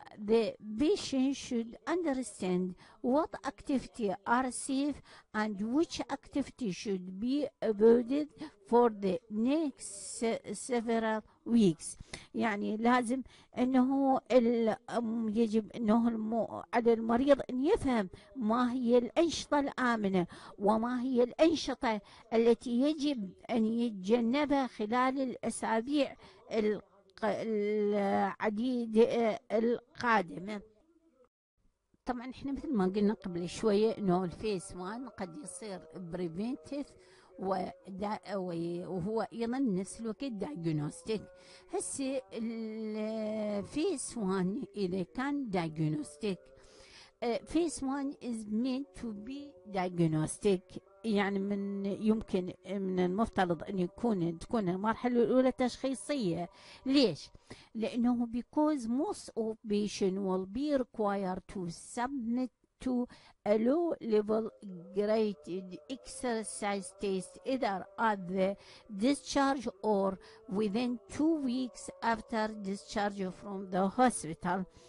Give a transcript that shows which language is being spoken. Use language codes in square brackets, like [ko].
[en] The patient should understand what activities are safe and which activities should be avoided for the next several weeks. [ar] يعني لازم أنه يجب أنه على المريض أن يفهم ما هي الأنشطة الآمنة وما هي الأنشطة التي يجب أن يتجنبها خلال الأسابيع العديد القادمة. طبعا احنا مثل ما قلنا قبل شوية انه الفيس 1 قد يصير بريفنتيف وهو ايضا نفس الوقت دايجنوستيك. هسه الفيس 1 اذا كان دايجنوستيك فيس 1 [en] is meant to be diagnostic [ar] يعني من المفترض ان تكون المرحله الاولى تشخيصيه. ليش؟ لانه [en] because most of patients will be required to submit to a low level graded exercise test either at the discharge or within 2 weeks after discharge from the hospital.